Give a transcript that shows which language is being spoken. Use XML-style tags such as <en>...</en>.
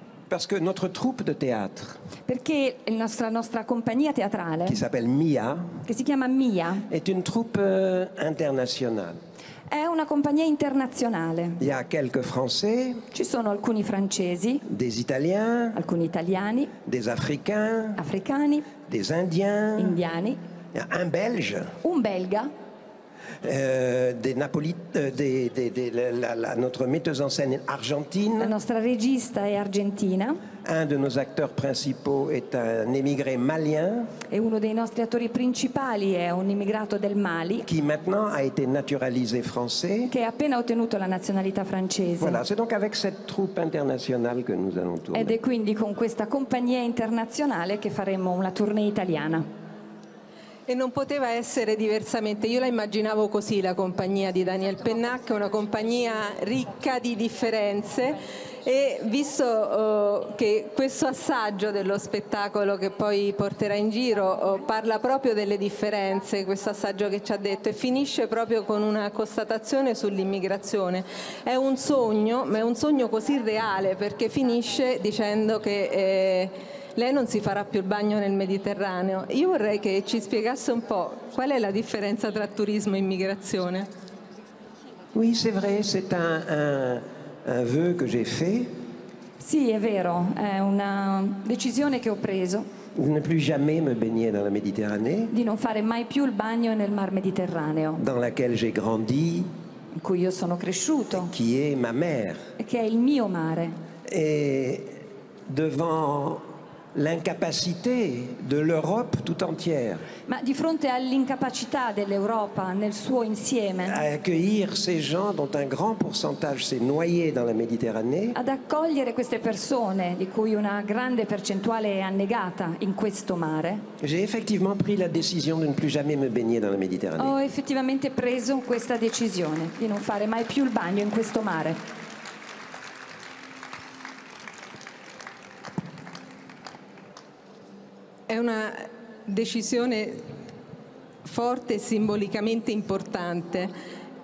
<fr>Parce que notre troupe de théâtre.</fr> <it>Perché la nostra compagnia teatrale.</it> <fr>Qui s'appelle Mia.</fr> <it>Che si chiama Mia.</it> <fr>Est une troupe internationale.</fr> <it>È una compagnia internazionale.</it> <fr>Il y a quelques français.</fr> <it>Ci sono alcuni francesi.</it> <fr>Des italiens.</fr> <it>Alcuni italiani.</it> <fr>Des africains.</fr> <it>Africani.</it> <fr>Des indiens.</fr> <it>Indiani.</it> <fr>Un belge.</fr> <it>Un belga.</it> <fr>Des notre metteuse en scène est argentine.</fr> <it>La nostra regista è argentina.</it> <fr>Un de nos acteurs principaux est un émigré malien.</fr> <it>E uno dei nostri attori principali è un immigrato del Mali.</it> <fr>Qui maintenant a été naturalisé français.</fr> <it>Che ha appena ottenuto la nazionalità francese.</it> <fr>Voilà, c'est donc avec cette troupe internationale que nous allons tourner.</fr> <it>Ed è quindi con questa compagnia internazionale che faremo una tournée italiana. E non poteva essere diversamente, io la immaginavo così la compagnia di Daniel Pennac, una compagnia ricca di differenze, e visto che questo assaggio dello spettacolo che poi porterà in giro parla proprio delle differenze, questo assaggio che ci ha detto, e finisce proprio con una constatazione sull'immigrazione, è un sogno, ma è un sogno così reale, perché finisce dicendo che... lei non si farà più il bagno nel Mediterraneo. Io vorrei che ci spiegasse un po' qual è la differenza tra turismo e immigrazione.</it> <fr>Oui, c'est vrai, c'est un vœu que j'ai fait.</fr> <it>Sì, è vero, è una decisione che ho preso.</it> <fr>De ne plus jamais me baigner dans la Méditerranée.</fr> <it>Di non fare mai più il bagno nel Mar Mediterraneo.</it> <fr>Dans laquelle j'ai grandi.</fr> <it>In cui io sono cresciuto.</it> <fr>Qui est ma mère.</fr> <it>Che è il mio mare.</it> <fr>Et devant l'incapacité de l'Europe tout entière.</fr> <it>Ma di fronte all'incapacità dell'Europa nel suo insieme.</it> <fr>À accueillir ces gens dont un grand pourcentage s'est noyé dans la Méditerranée.</fr> <it>Ad accogliere queste persone di cui una grande percentuale è annegata in questo mare.</it> <fr>J'ai effectivement pris la décision de ne plus jamais me baigner dans la Méditerranée.</fr> <it>Ho effettivamente preso questa decisione di non fare mai più il bagno in questo mare. È una decisione forte e simbolicamente importante.</it>